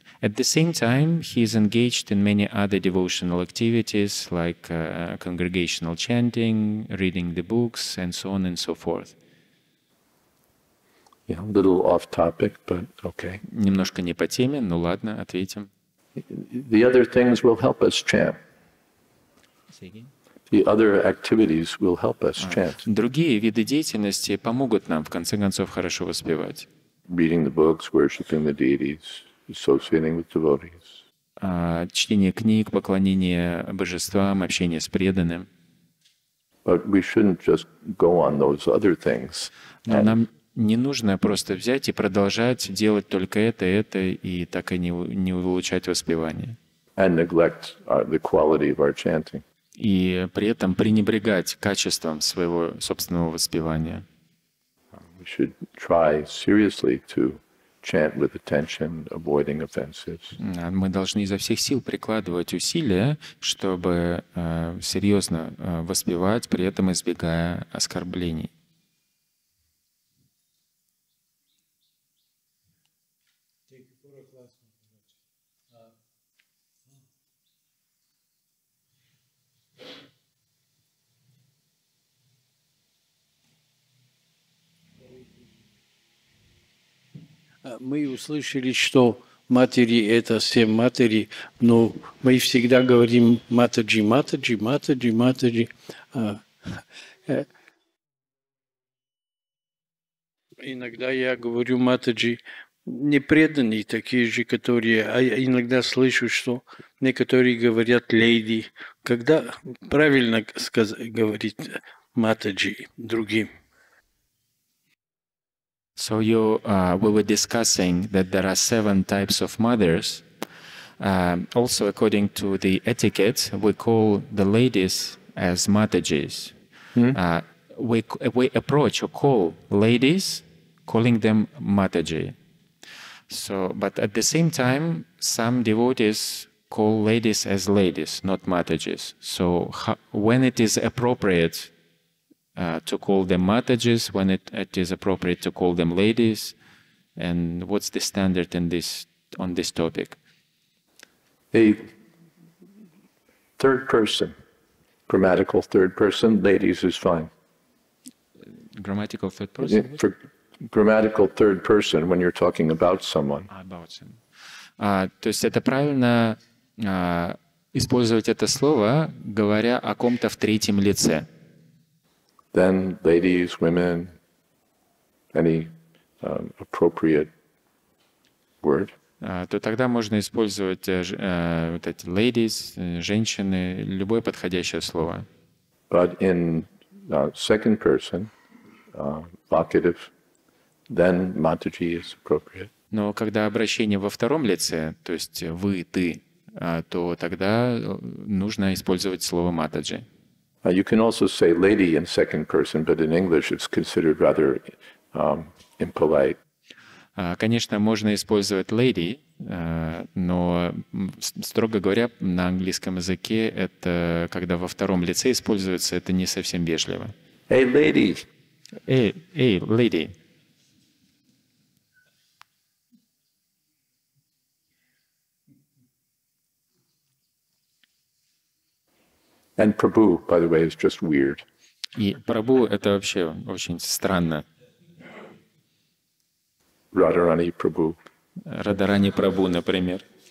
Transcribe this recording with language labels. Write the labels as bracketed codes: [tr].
[en] At the same time, he is engaged in many other devotional activities like congregational chanting, reading the books, and so on and so forth. Yeah, a little off topic, but okay. [ru] Немножко не по теме, но ладно, ответим. [en] The other things will help us chant. Say again? The other activities will help us chant. [ru] Другие виды деятельности помогут нам, в конце концов, хорошо воспевать. [en] Reading the books, worshiping the deities. Associating with devotees. [ru] Чтение книг, поклонение божествам, общение с преданным. [en] But we shouldn't just go on those other things. [ru] Но нам не нужно просто взять и продолжать делать только это и так и не улучшать воспевание. [en] And neglect the quality of our chanting. [ru] И при этом пренебрегать качеством своего собственного воспевания. [en] We should try seriously to chant with attention, avoiding offenses. [ru] Мы должны изо всех сил прикладывать усилия, чтобы серьезно воспевать, при этом избегая оскорблений. Мы услышали, что матери — это все матери, но мы всегда говорим матаджи, матаджи, матаджи, матаджи. Иногда я говорю матаджи непреданные, такие же, которые... А я иногда слышу, что некоторые говорят леди. Когда правильно говорить матаджи другим? [en] So you, we were discussing that there are seven types of mothers. Also, according to the etiquette, we call the ladies as matajis. We approach or call ladies, calling them mataji. So, but at the same time, some devotees call ladies as ladies, not matajis. So, when it is appropriate to call them matajis, when it is appropriate to call them ladies, and what's the standard in this on this topic? A third person, grammatical third person, ladies is fine. Grammatical third person? For grammatical third person, when you're talking about someone. About him. [ru] То есть это правильно использовать это слово, говоря о ком-то в третьем лице. [en] Then ladies, women, any appropriate word. [ru] То тогда можно использовать вот эти ladies, женщины, любое подходящее слово. [en] But in second person, vocative, then mataji is appropriate. [ru] Но когда обращение во втором лице, то есть вы, ты, то тогда нужно использовать слово mataji. [en] You can also say lady in second person, but in English it's considered rather impolite. [ru] Конечно, можно использовать lady, но строго говоря, на английском языке это когда во втором лице используется, это не совсем вежливо. [en] Hey lady. Hey lady. And Prabhu, by the way, is just weird. [ru] И Прабу это вообще очень странно. Радарани Прабу. Радарани Прабу, например.